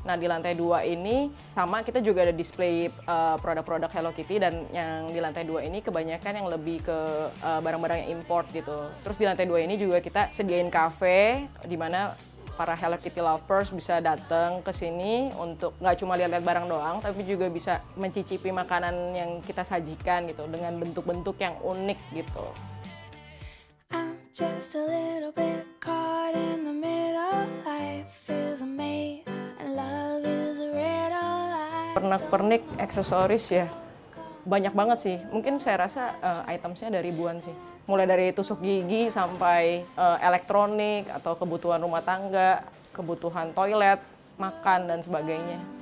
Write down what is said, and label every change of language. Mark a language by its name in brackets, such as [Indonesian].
[Indonesian] Nah, di lantai dua ini sama, kita juga ada display produk-produk Hello Kitty, dan yang di lantai dua ini kebanyakan yang lebih ke barang-barang yang import gitu. Terus di lantai dua ini juga kita sediain kafe, di mana para Hello Kitty lovers bisa datang ke sini untuk nggak cuma lihat-lihat barang doang, tapi juga bisa mencicipi makanan yang kita sajikan gitu dengan bentuk-bentuk yang unik gitu. [English] I'm just a little bit caught in the middle. Life is a maze and love is a riddle. [Indonesian] Pernak-pernik, aksesoris ya, banyak banget sih. Mungkin saya rasa itemsnya dari ribuan sih. Mulai dari tusuk gigi sampai elektronik atau kebutuhan rumah tangga, kebutuhan toilet, makan, dan sebagainya.